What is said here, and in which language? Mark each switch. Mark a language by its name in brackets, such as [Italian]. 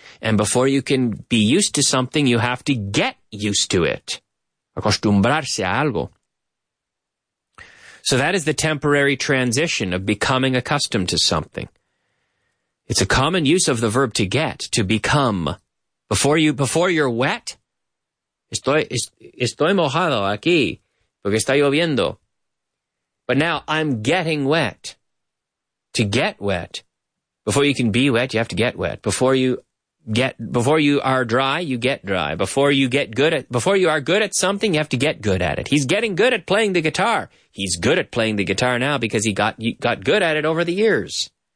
[English] And before you can be used to something, you have to get used to it. [Spanish] Acostumbrarse a algo. [English] So that is the temporary transition of becoming accustomed to something. It's a common use of the verb to get, to become. Before you're wet, [Spanish] estoy mojado aquí, porque está lloviendo. [English] But now I'm getting wet. To get wet. Before you can be wet, you have to get wet. Before you are dry, you get dry. Before you are good at something, you have to get good at it. He's getting good at playing the guitar. He's good at playing the guitar now because he got good at it over the years.